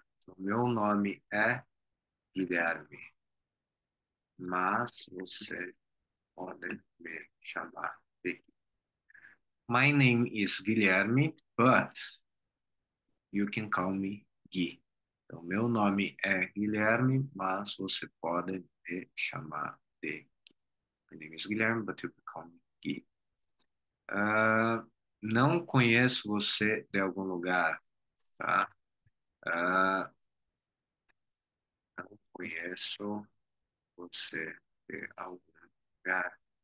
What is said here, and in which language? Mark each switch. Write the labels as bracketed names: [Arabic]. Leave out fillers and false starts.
[Portuguese] So, meu nome é Guilherme. Mas você pode me chamar de. [English] My name is Guilherme, but you can call me Gui. [Portuguese] Então, meu nome é Guilherme, mas você pode me chamar de. [English] My name is Guilherme, but you can call me Gui. [Portuguese] Não conheço você de algum lugar, tá? Não conheço você de algum lugar.